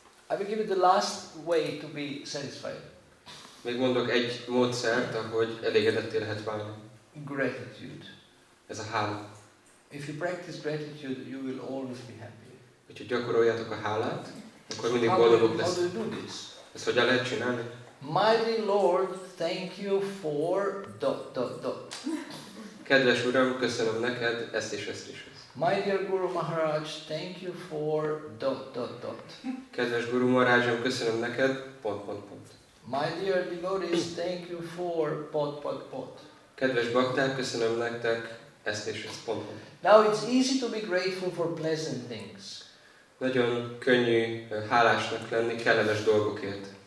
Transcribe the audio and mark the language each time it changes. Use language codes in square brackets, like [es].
[en] I will give you the last way to be satisfied. [hu] Még mondok egy módszert, ahogy elégedetté lehet válni. [en] Gratitude. [hu] Ez a hála. [en] If you practice gratitude, you will always be happy. [hu] Hogyha gyakoroljátok a hálát, akkor mindig boldogok lesz. [en] How do you do this? [hu] Ezt hogyan lehet csinálni? [en] Mighty Lord, thank you for dot dot dot. [hu] Kedves Uram, köszönöm neked ezt és ezt is. [en] My dear Guru Maharaj, thank you for dot dot dot. [hu] Kedves Guru Maharajom, köszönöm neked pont pont pont. [en] My dear devotees, thank you for pot pot pot. [hu] Kedves bakták, köszönöm nektek ezt és ezt pont pont. [en] Now it's easy to be grateful for pleasant things. [hu] Nagyon könnyű hálásnak lenni kellemes dolgokért.